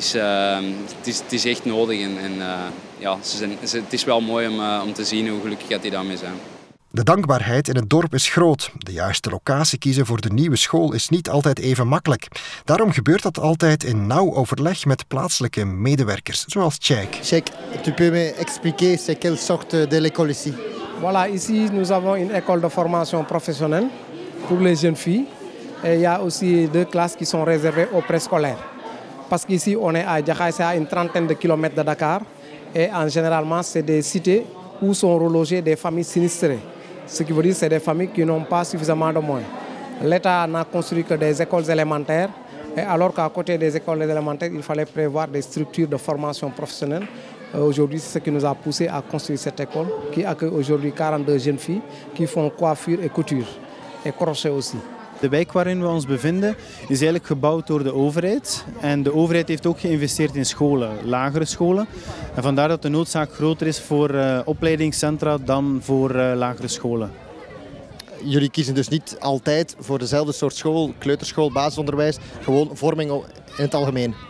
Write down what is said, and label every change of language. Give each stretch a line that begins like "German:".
Dutch: Het is echt nodig het is wel mooi om te zien hoe gelukkig dat die daarmee zijn. De dankbaarheid in het dorp is groot. De juiste locatie kiezen voor de nieuwe school is niet altijd even makkelijk. Daarom gebeurt dat altijd in nauw overleg met plaatselijke medewerkers, zoals Jack.
French: Jack, tu peux me expliquer c'est quelle sorte de l'école ici? Voilà, ici nous avons une école de formation professionnelle pour les jeunes filles. Et il y a aussi deux classes qui sont réservées aux préscolaires. Parce qu'ici on est à Diakhaï, c'est à une trentaine de kilomètres de Dakar. Et en général, c'est des cités où sont relogées des familles sinistrées. Ce qui veut dire que c'est des familles qui n'ont pas suffisamment de moyens. L'État n'a construit que des écoles élémentaires, et alors qu'à côté des écoles élémentaires, il fallait prévoir des structures de formation professionnelle. Aujourd'hui, c'est ce qui nous a poussé à construire cette école, qui accueille aujourd'hui 42 jeunes filles qui font coiffure et couture, et crochet aussi.
Dutch: De wijk waarin we ons bevinden is eigenlijk gebouwd door de overheid. En de overheid heeft ook geïnvesteerd in scholen, lagere scholen. En vandaar dat de noodzaak groter is voor opleidingscentra dan voor lagere scholen. Jullie kiezen dus niet altijd voor dezelfde soort school, kleuterschool, basisonderwijs, gewoon vorming in het algemeen?